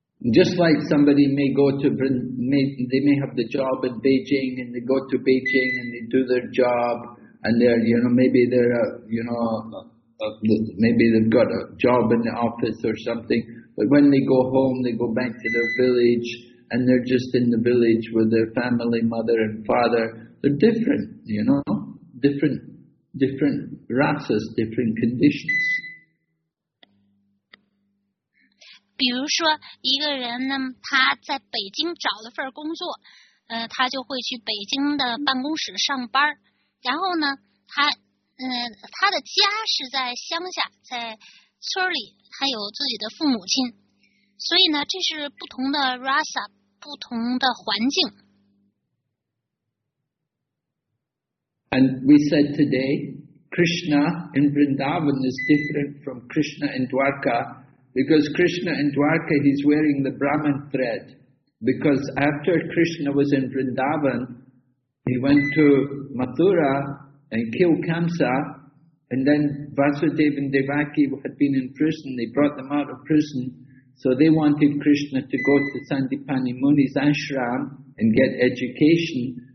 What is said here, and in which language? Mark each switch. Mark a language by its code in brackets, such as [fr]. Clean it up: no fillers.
[en] Just like somebody may go to they may have the job in Beijing and they go to Beijing and they do their job and they've got a job in the office or something. But when they go home, they go back to their village, and they're just in the village with their family, mother and father. They're different, you know, different races, different conditions. [zh] 比如说，一个人呢，他在北京找了份工作，他就会去北京的办公室上班，然后呢，他他的家是在乡下，在村里，还有自己的父母亲，所以呢，这是不同的 rasa， 不同的环境。 [en] And we said today, Krishna in Vrindavan is different from Krishna in Dwarka, because Krishna in Dwarka, he's wearing the Brahman thread. Because after Krishna was in Vrindavan, he went to Mathura and killed Kamsa, and then Vasudeva and Devaki had been in prison, they brought them out of prison, so they wanted Krishna to go to Sandipani Muni's ashram and get education.